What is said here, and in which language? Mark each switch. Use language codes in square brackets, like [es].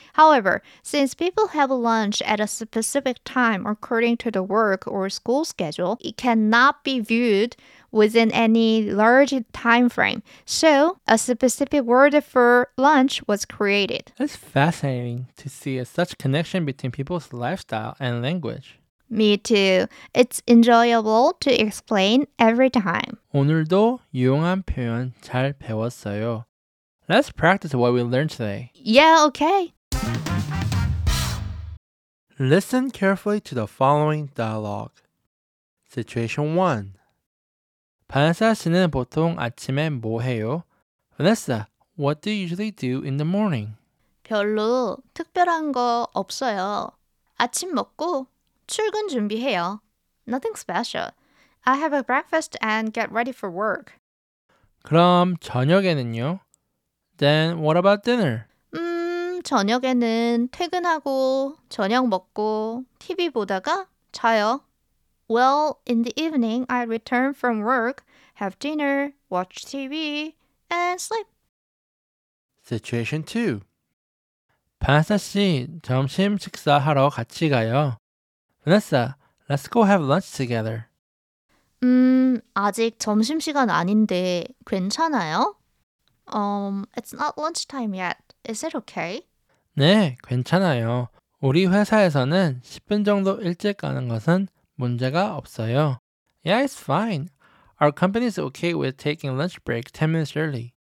[en] However, since people have lunch at a specific time according to the work or school schedule, it cannot be viewed within any large time frame. So, a specific word for lunch was created. It's fascinating to see such connection between people's lifestyle and language. Me too. It's enjoyable to explain every time. [ko] 오늘도 유용한 표현 잘 배웠어요. [en] Let's practice what we learned today. Yeah, okay. Listen carefully to the following dialogue. Situation 1. [ko] Vanessa 씨는 보통 아침에 뭐 해요? [en] Vanessa, what do you usually do in the morning? [ko] 별로 특별한 거 없어요. 아침 먹고 출근 준비해요. [en] Nothing special. I have a breakfast and get ready for work. [ko] 그럼 저녁에는요? [en] Then what about dinner? [ko] 저녁에는 퇴근하고 저녁 먹고 TV 보다가 자요. [en] Well, in the evening, I return from work, have dinner, watch TV, and sleep. Situation 2. [ko] 바나사 씨, 점심 식사하러 같이 가요. [en] Vanessa, let's go have lunch together. [ko] 아직 점심 시간 아닌데 괜찮아요? [en] It's not lunchtime yet. Is it okay? [ko] 네, 괜찮아요. 우리 회사에서는 10분 정도 일찍 가는 것은 문제가 없어요. [en] Yeah, it's fine. Our company is okay with taking lunch break 10 minutes early.